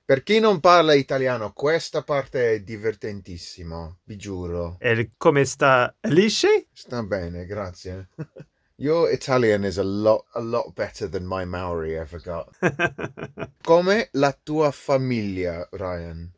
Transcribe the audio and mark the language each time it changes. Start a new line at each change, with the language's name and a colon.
Italian: Per chi non parla italiano, questa parte è divertentissima, vi giuro. E come sta Alice? Sta bene, grazie.
English: Your Italian is a lot better than my Maori ever got.
Italian: Come la tua famiglia, Ryan?